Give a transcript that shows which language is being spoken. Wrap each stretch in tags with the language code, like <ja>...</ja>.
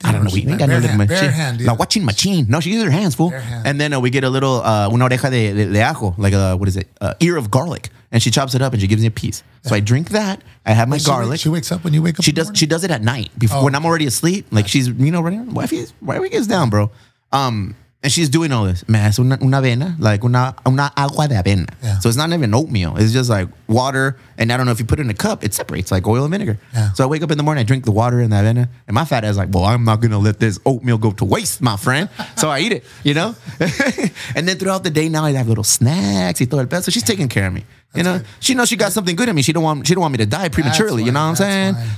<en>No, she used her hands, fool. And then we get a little,</en> <es>una oreja de ajo,</es> <en>like a, what is it? Ear of garlic. And she chops it up and she gives me a piece. Yeah. So I drink that. I have my garlic. She wakes up when you wake up. She does it at night when I'm already asleep. Like she's, you know, running around. Wifey gets down, bro. And she's doing all this.</en> <es>Me hace una avena,</es> <en>like</en> <es>una agua de avena.</es> <en>Yeah. So it's not even oatmeal. It's just like water. And I don't know if you put it in a cup, it separates like oil and vinegar. Yeah. So I wake up in the morning, I drink the water and the avena. And my fat ass is like, well, I'm not going to let this oatmeal go to waste, my friend. So I eat it, you know? And then throughout the day, now I have little snacks.</en> <es>Y todo el pez.</es> <en>So she's taking care of me. That's you know, right. She knows she got something good in me. She don't want me to die prematurely. Why, you know what I'm saying? Why.</en>